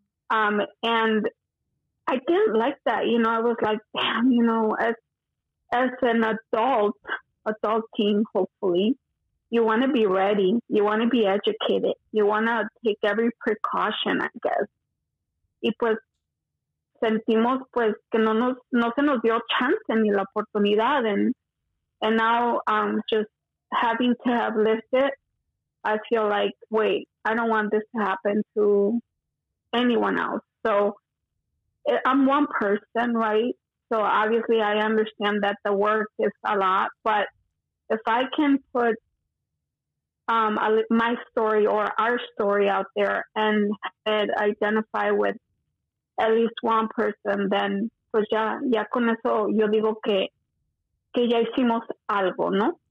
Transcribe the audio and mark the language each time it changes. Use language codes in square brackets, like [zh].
[en] And I didn't like that, you know? I was like, damn, you know, as an adult teen, hopefully, you want to be ready, you want to be educated, you want to take every precaution, I guess. [es] Y pues, sentimos pues que no se nos dio chance ni la oportunidad. [en] And now just having to have lived it, I feel like, wait, I don't want this to happen to anyone else. So I'm one person, right? So obviously I understand that the work is a lot, but if I can put my story or our story out there and identify with at least one person, then [es] pues ya con eso yo digo que ya hicimos algo, ¿no?